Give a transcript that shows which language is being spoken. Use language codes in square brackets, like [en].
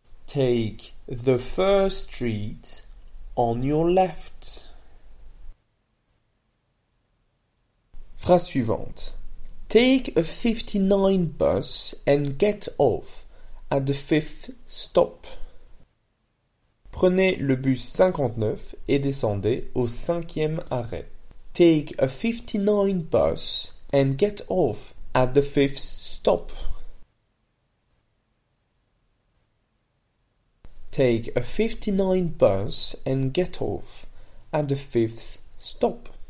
[en] Take the first street on your left. [fr] Phrase suivante. [en] Take a 59 bus and get off at the fifth stop. [fr] Prenez le bus 59 et descendez au cinquième arrêt. [en] Take a 59 bus and get off at the fifth stop. Take a 59 bus and get off at the fifth stop.